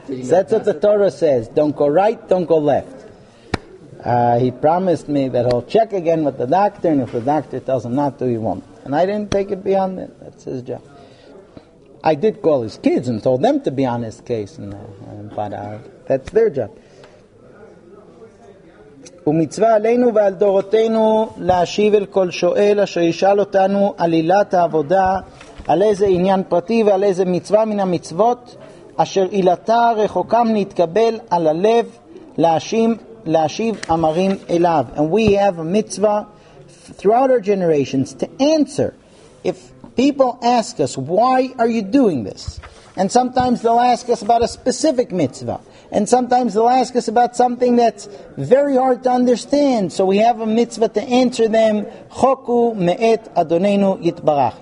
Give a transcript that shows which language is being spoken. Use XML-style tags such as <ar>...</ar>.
<en>That's what the Torah says. Don't go right, don't go left. He promised me that he'll check again with the doctor, and if the doctor tells him not to, he won't. And I didn't take it beyond it. That's his job. I did call his kids and told them to be on his case, but that's their job.</en> <he>ומצווה עלינו ועל דורותינו להשיב אל כל שואל אשר ישאל אותנו על עילת העבודה, על איזה עניין פרטי ועל איזה מצווה מן המצוות אשר עילתה רחוקם להתקבל על הלב להשיב אמרים אליו.</he> <en>And we have a mitzvah throughout our generations to answer. If people ask us, why are you doing this? And sometimes they'll ask us about a specific mitzvah. And sometimes they'll ask us about something that's very hard to understand. So we have a mitzvah to answer them.</en> <he>Choku me'et Adonenu Yitbarach.</he>